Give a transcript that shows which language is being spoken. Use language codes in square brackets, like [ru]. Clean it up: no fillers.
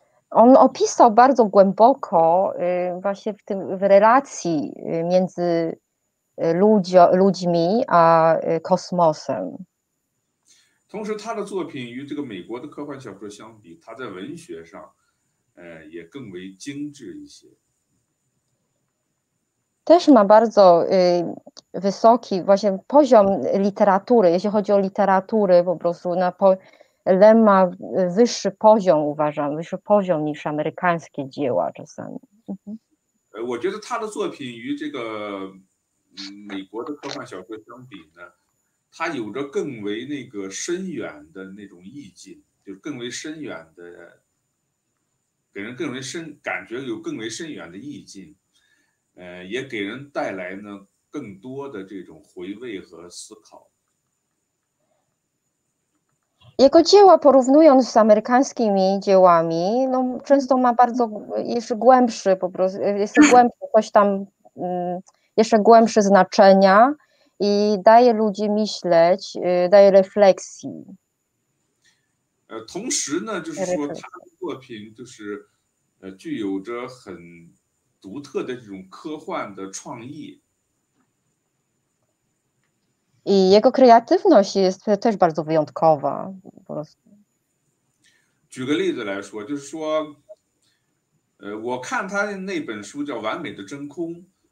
[pl] On opisał bardzo głęboko właśnie w relacji między ludźmi a kosmosem. [zh] 同时他的作品与这个美国的科幻小说相比, 他在文学上, 也更为精致一些。 [pl] Też ma bardzo wysoki właśnie poziom literatury, jeśli chodzi o literaturę, po prostu Lem ma wyższy poziom, uważam, wyższy poziom niż amerykańskie dzieła czasami. [zh] 我觉得他的作品与这个 美国的科幻小说相比呢，它有着更为那个深远的那种意境，就是更为深远的，给人更为深，感觉有更为深远的意境，也给人带来呢更多的这种回味和思考。 [pl] Jego dzieła porównując z amerykańskimi dziełami, no często ma bardzo jeszcze głębszy, po prostu jest głębszy coś tam. Jeszcze głębsze znaczenia i daje ludzi myśleć, daje refleksji. [zh] 同时呢，就是说他的作品就是具有着很独特的这种科幻的创意。 [pl] I jego kreatywność jest też bardzo wyjątkowa. [zh] 举个例子来说，就是说，我看他那本书叫《完美的真空》。